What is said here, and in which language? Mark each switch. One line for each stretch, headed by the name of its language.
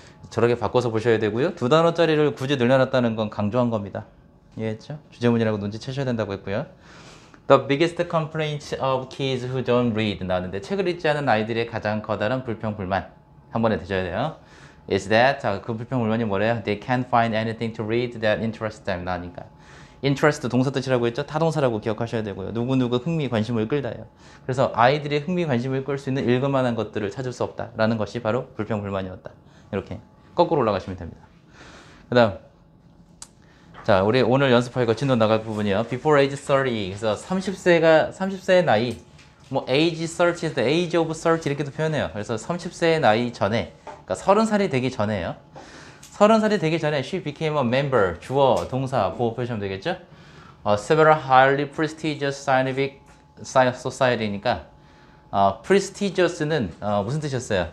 Korean: 저렇게 바꿔서 보셔야 되고요. 두 단어짜리를 굳이 늘려놨다는 건 강조한 겁니다. 이해했죠? 주제문이라고 눈치채셔야 된다고 했고요.
English: The biggest complaint of kids who don't read
Korean: 나왔는데 책을 읽지 않은 아이들의 가장 커다란 불평 불만 한 번에 드셔야 돼요.
English: Is that
Korean: 그 불평 불만이 뭐래요?
English: They can't find anything to read that interests them 나니까.
Korean: interest 동사 뜻이라고 했죠? 타동사라고 기억하셔야 되고요. 누구누구 흥미 관심을 끌다요. 그래서 아이들의 흥미 관심을 끌수 있는 읽을 만한 것들을 찾을 수 없다라는 것이 바로 불평 불만이었다. 이렇게 거꾸로 올라가시면 됩니다. 그다음 자, 우리 오늘 연습할 거 진도 나갈 부분이요.
English: before age 30.
Korean: 그래서 30세의 나이. 뭐 age 30, age of 30 이렇게도 표현해요. 그래서 30세의 나이 전에, 그러니까 30살이 되기 전에요. 30살이 되기 전에
English: she became a member,
Korean: 주어, 동사, 보호 표시하면 되겠죠?
English: Several highly prestigious scientific society
Korean: 니까 prestigious는 무슨 뜻이었어요?